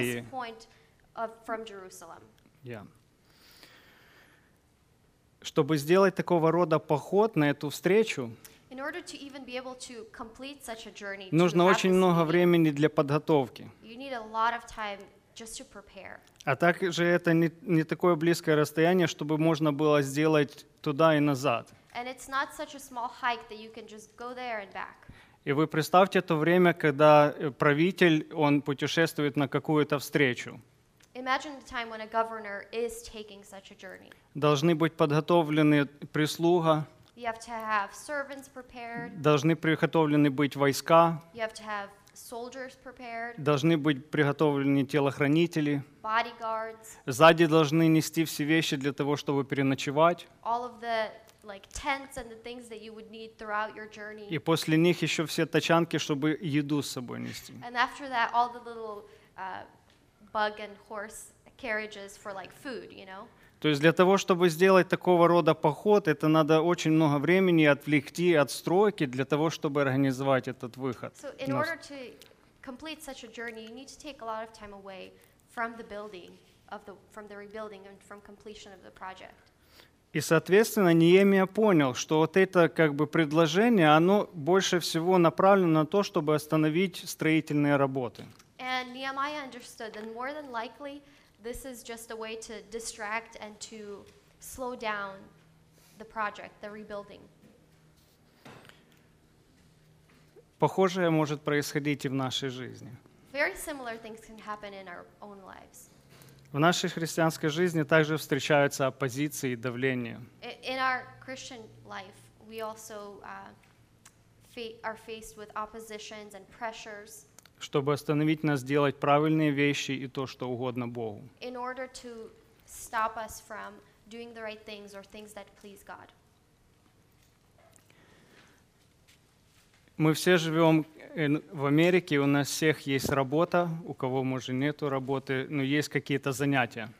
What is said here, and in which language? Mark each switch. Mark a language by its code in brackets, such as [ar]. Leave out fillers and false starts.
[en] point of from Jerusalem. Yeah. [ru] Чтобы сделать такого рода поход на эту встречу, [en] in order to even be able to complete such a journey, [ru] нужно очень много времени для подготовки. [en] You need a lot of time just to prepare. [ru] А также это не такое близкое расстояние, чтобы можно было сделать туда и назад. [en] And it's not such a small hike that you can just go there and back. [ru] И вы представьте то время, когда правитель, он путешествует на какую-то встречу. [en] Imagine the time when a governor is taking such a journey. [ru] Должны быть подготовлены прислуга. [en] You have to have servants prepared. [ru] Должны приготовлены быть войска. [en] You have to have soldiers prepared. [ru] Должны быть приготовлены телохранители. [en] Bodyguards. [ru] Сзади должны нести все вещи для того, чтобы переночевать. [en] All of the like tents and the things that you would need throughout your journey. [ru] И после них еще все тачанки, чтобы еду с собой нести. [en] And after that, all the little bug and horse carriages for like food, you know. [ru] То есть для того, чтобы сделать такого рода поход, это надо очень много времени отвлекти от стройки для того, чтобы организовать этот выход. [en] So in order to complete such a journey, you need to take a lot of time away from the building of the from the rebuilding and from completion of the project. [ru] И, соответственно, Неемия понял, что вот это как бы предложение, оно больше всего направлено на то, чтобы остановить строительные работы. [en] And Nehemiah understood that more than likely this is just a way to distract and to slow down the project, the rebuilding. [ru] Похожее может происходить и в нашей жизни. [en] Very similar things can happen in our own lives. [ru] В нашей христианской жизни также встречаются оппозиции и давление. [en] In our Christian life, we also are faced with oppositions and pressures. [ru] Чтобы остановить нас делать правильные вещи и то, что угодно Богу. [en] In order to stop us from doing the right things or things that please God. [ru] Мы все живем в Америке, у нас всех есть работа, у кого, может, нет работы, но есть какие-то занятия.